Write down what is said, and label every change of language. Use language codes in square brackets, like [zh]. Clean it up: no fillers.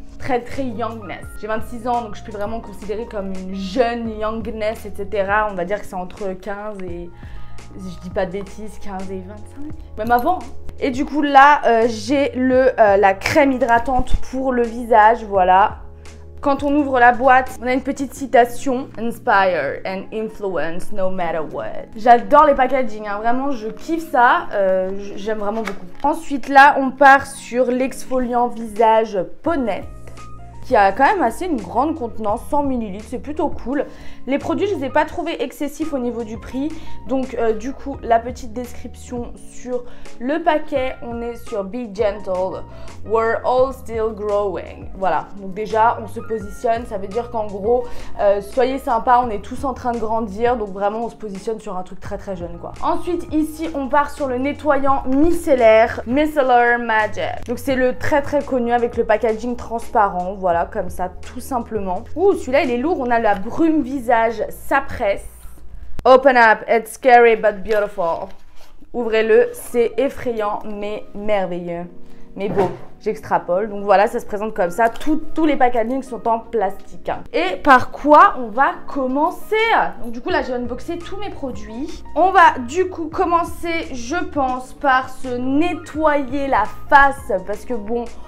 [fr] Très très youngness. J'ai 26 ans donc je peux vraiment considérer comme une jeune youngness, etc. On va dire que c'est entre 15 et... Je dis pas de bêtises, 15 et 25. Même avant. Et du coup là, j'ai la crème hydratante pour le visage, voilà. Quand on ouvre la boîte, on a une petite citation. [en] Inspire and influence no matter what. [fr] J'adore les packaging, hein. Vraiment je kiffe ça, j'aime vraiment beaucoup. Ensuite là, on part sur l'exfoliant visage peau nette, qui a quand même assez une grande contenance, 100 ml, c'est plutôt cool. Les produits, je ne les ai pas trouvés excessifs au niveau du prix. Donc, du coup, la petite description sur le paquet, on est sur [en] Be Gentle, We're All Still Growing. [fr] Voilà, donc déjà, on se positionne, ça veut dire qu'en gros, soyez sympa, on est tous en train de grandir, donc vraiment, on se positionne sur un truc très très jeune, quoi. Ensuite, ici, on part sur le nettoyant micellaire, Micellar Magic. Donc, c'est le très très connu avec le packaging transparent, voilà, comme ça, tout simplement. Ouh, celui-là, il est lourd. On a la brume visage, ça presse. [en] Open up, it's scary but beautiful. [fr] Ouvrez-le, c'est effrayant mais merveilleux. Mais bon, j'extrapole. Donc voilà, ça se présente comme ça. Tous les packaging sont en plastique. Et par quoi on va commencer? Donc du coup, là, j'ai unboxé tous mes produits. On va du coup commencer, je pense, par se nettoyer la face. Parce que bon...